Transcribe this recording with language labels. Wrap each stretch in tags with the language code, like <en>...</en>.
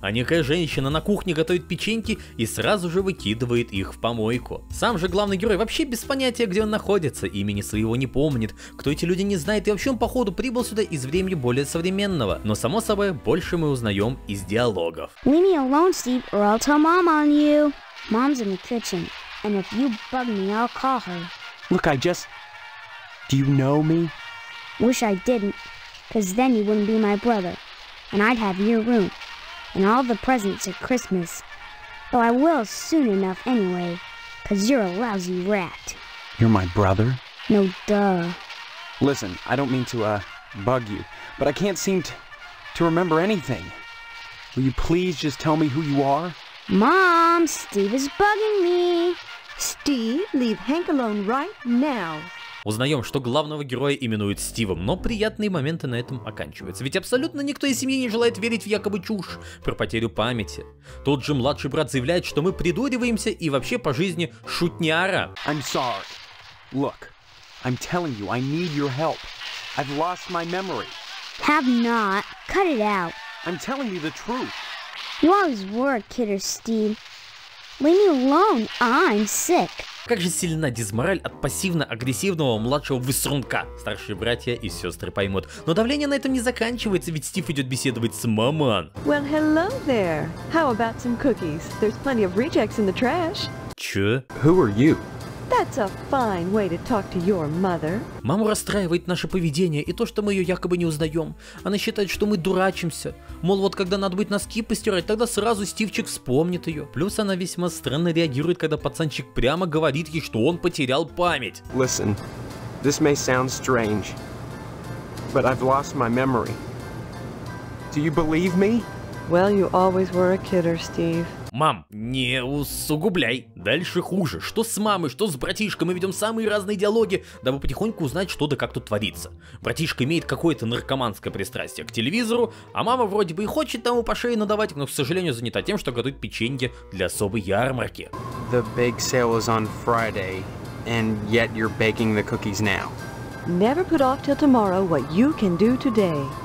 <ru>А некая женщина на кухне готовит печеньки и сразу же выкидывает их в помойку. Сам же главный герой вообще без понятия, где он находится, имени своего не помнит, кто эти люди не знает и вообще он походу прибыл сюда из времени более современного. Но само собой, больше мы узнаем из диалогов.</ru> <en>Leave me alone, Steve, or I'll tell mom on you. Mom's in the kitchen, and if you bug me, I'll call her. Look, I just... Do you know me? Wish I didn't. Because then you wouldn't be my brother, and I'd have your room, and all the presents at Christmas. Though I will soon enough anyway, because you're a lousy rat. You're my brother? No, duh. Listen, I don't mean to, bug you, but I can't seem to remember anything. Will you please just tell me who you are? Mom, Steve is bugging me! Steve, leave Hank alone right now!</en> <ru>Узнаем, что главного героя именуют Стивом, но приятные моменты на этом оканчиваются. Ведь абсолютно никто из семьи не желает верить в якобы чушь про потерю памяти. Тот же младший брат заявляет, что мы придуриваемся и вообще по жизни шутняра.</ru> <en>I'm sorry. Look, I'm telling you, I need your help. I've lost my memory. Have not. Cut it out. I'm telling you the truth. You always were a kidder, Steve. Leave me alone. I'm sick.</en> <ru>Как же сильна дизмораль от пассивно-агрессивного младшего высрунка. Старшие братья и сестры поймут. Но давление на этом не заканчивается, ведь Стив идет беседовать с маман.</ru> <en>Well, hello there. How about some cookies? There's plenty of rejects in the trash.</en> <ru>Че?</ru> <en>Who are you? That's a fine way to talk to your mother.</en> <ru>Маму расстраивает наше поведение и то, что мы ее якобы не узнаем. Она считает, что мы дурачимся. Мол, вот когда надо будет носки постирать, тогда сразу Стивчик вспомнит ее. Плюс она весьма странно реагирует, когда пацанчик прямо говорит ей, что он потерял память.</ru> <en>Listen, this may sound strange, but I've lost my memory. Do you believe me? Well, you always were a kidder, Steve.</en> <ru>Мам, не усугубляй. Дальше хуже. Что с мамой, что с братишкой? Мы ведем самые разные диалоги, дабы потихоньку узнать, что да как тут творится. Братишка имеет какое-то наркоманское пристрастие к телевизору, а мама вроде бы и хочет тому по шее надавать, но, к сожалению, занята тем, что готовит печеньки для особой ярмарки.</ru> <en>The big sale is on Friday, and yet you're baking the cookies now. Never put off till tomorrow what you can do today.</en>